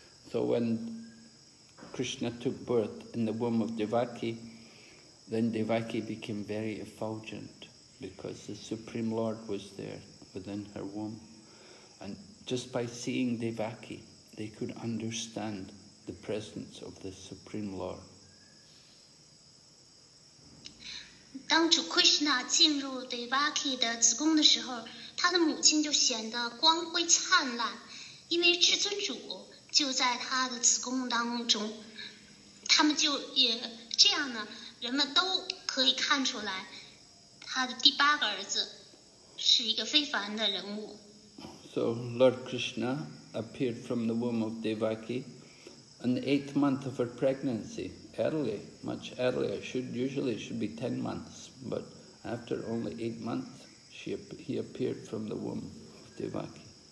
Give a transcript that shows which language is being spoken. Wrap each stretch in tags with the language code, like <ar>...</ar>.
<en>So when Krishna took birth in the womb of Devaki, then Devaki became very effulgent because the Supreme Lord was there within her womb. And just by seeing Devaki, they could understand the presence of the Supreme Lord.</en> <zh>当主 Krishna 进入 Devaki 的子宫的时候，她的母亲就显得光辉灿烂，因为至尊主 就在他的子宫当中，他们就也这样呢，人们都可以看出来，他的第八个儿子是一个非凡的人物。</zh> <en>So Lord Krishna appeared from the womb of Devaki in the 8th month of her pregnancy, early, much earlier. Usually it should be 10 months, but after only 8 months, he appeared from the womb of Devaki.</en>